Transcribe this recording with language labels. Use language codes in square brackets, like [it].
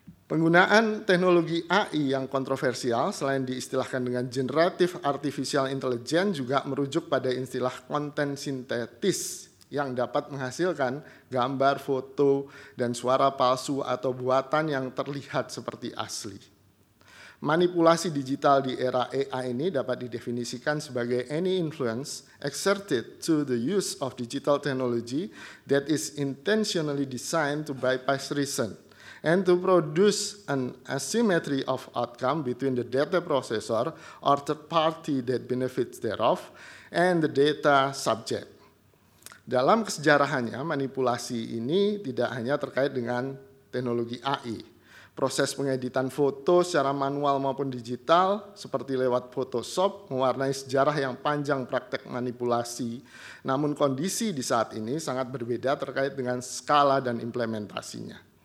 [id] Penggunaan teknologi AI yang kontroversial selain diistilahkan dengan generative artificial intelligence juga merujuk pada istilah konten sintetis yang dapat menghasilkan gambar, foto, dan suara palsu atau buatan yang terlihat seperti asli. Manipulasi digital di era AI ini dapat didefinisikan sebagai [en] any influence exerted to the use of digital technology that is intentionally designed to bypass reason and to produce an asymmetry of outcome between the data processor or third party that benefits thereof and the data subject. [id] Dalam kesejarahannya, manipulasi ini tidak hanya terkait dengan teknologi AI. Proses pengeditan foto secara manual maupun digital, seperti lewat Photoshop, mewarnai sejarah yang panjang praktek manipulasi. Namun kondisi di saat ini sangat berbeda terkait dengan skala dan implementasinya.